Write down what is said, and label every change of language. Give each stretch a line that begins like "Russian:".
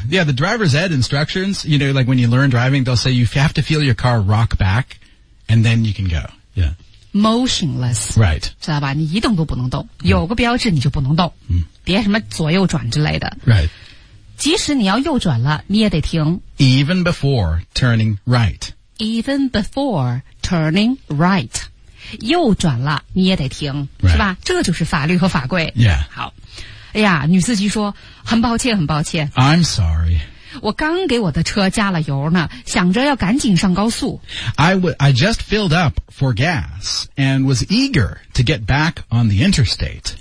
English: Yeah, the driver's ed instructions, you know, like when you learn driving, they'll say you have to feel your car rock back, and then you can go. Yeah. Motionless. Right.
Chinese: 知道吧你一动都不能动。有个标志你就不能动。 Mm. 别什么左右转之类的。
English: Right.
Chinese: 即使你要右转了你也得停
English: Even before turning right Even before turning right
Chinese: 右转了你也得停、
English: right.
Chinese: 是吧这就是法律和法规
English: Yeah
Chinese: 好哎呀女司机说很抱歉很抱歉
English: I'm sorry
Chinese: 我刚给我的车加了油呢想着要赶紧上高速
English: I just filled up for gas and was eager to get back on the interstate